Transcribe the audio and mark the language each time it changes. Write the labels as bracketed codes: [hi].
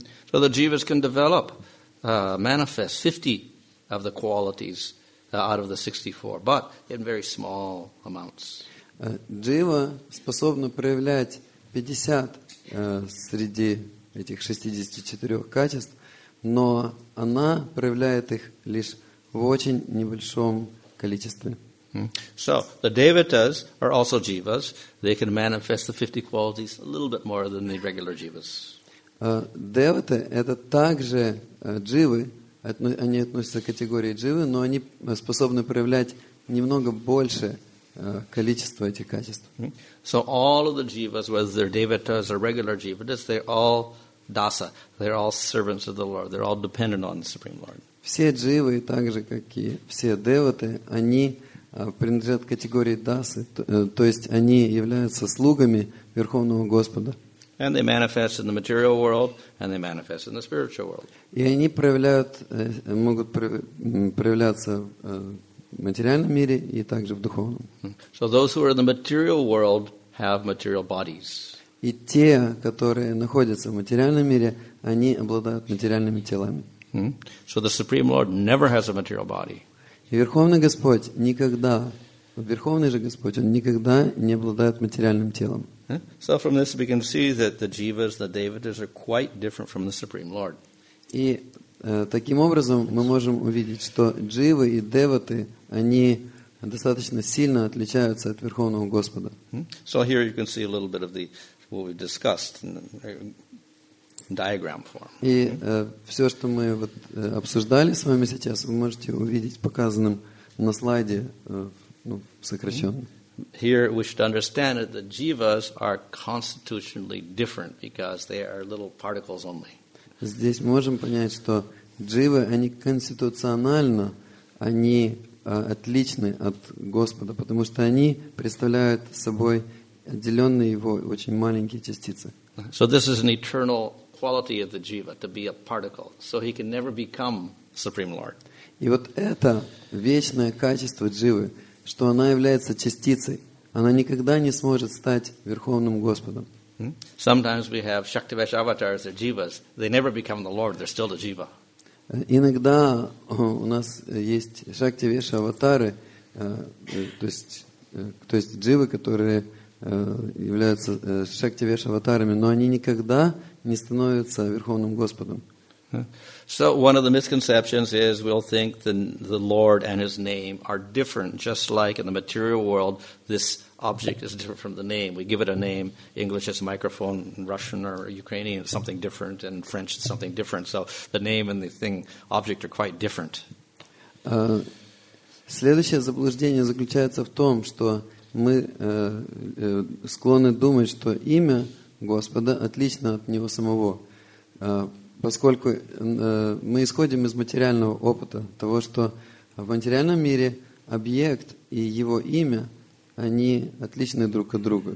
[en] So the jivas can develop, manifest 50 of the qualities out of the 64, but in very small amounts. [ru] Джива способна проявлять 50 среди этих 64 качеств, но она проявляет их лишь в очень небольшом количестве. [en] So, the devatas are also jivas. They can manifest the 50 qualities a little bit more than the regular jivas. [ru] Деваты – это также дживы. Они относятся к категории дживы, но они способны проявлять немного больше количество этих качеств. [en] So all of the jivas, whether they're devatas or regular jivas, they're all dasa. They're all servants of the Lord. They're all dependent on the Supreme Lord. [ru] Все дживы, так же как и все деваты, они принадлежат категории дасы, то есть они являются слугами Верховного Господа. [en] And they manifest in the material world, and they manifest in the spiritual world. [ru] И они проявляют, могут проявляться в материальном мире и также в духовном. [en] So those who are in the material world have material bodies. [ru] И те, которые находятся в материальном мире, они обладают материальными телами. [en] So the Supreme Lord never has a material body. [ru] И Верховный Господь никогда, Верховный же Господь, Он никогда не обладает материальным телом. [en] So from this we can see that the jivas, the devatas are quite different from the Supreme Lord. [ru] И таким образом мы можем увидеть, что дживы и деваты, они достаточно сильно отличаются от Верховного Господа. [en] So here you can see a little bit of the what we discussed in the diagram form. [ru] И все, что мы вот обсуждали с вами сейчас, вы можете увидеть показанным на слайде, ну, сокращенно. [en] Here we should understand that the jivas are constitutionally different because they are little particles only. [ru] Здесь можем понять, что дживы, они конституционально, они отличны от Господа, потому что они представляют собой отделенные Его очень маленькие частицы. [en] So this is an eternal quality of the jiva, to be a particle. So he can never become Supreme Lord. [ru] И вот это вечное качество дживы, что она является частицей, она никогда не сможет стать Верховным Господом. [en] Sometimes we have Shaktivesh avatars or jivas. They never become the Lord. They're still the jiva. [ru] Иногда у нас есть Shaktivesh аватары, то есть дживы, которые являются Shaktivesh аватарами, но они никогда не становятся Верховным Господом. [en] So one of the misconceptions is we'll think the Lord and His name are different, just like in the material world, this object is different from the name. We give it a name. English is a microphone. In Russian or Ukrainian is something different. In French is something different. So the name and the thing, object are quite different. [ru] Следующее заблуждение заключается в том, что мы склонны думать, что имя Господа отлично от Него самого. Поскольку мы исходим из материального опыта, того, что в материальном мире объект и его имя, они отличны друг от друга.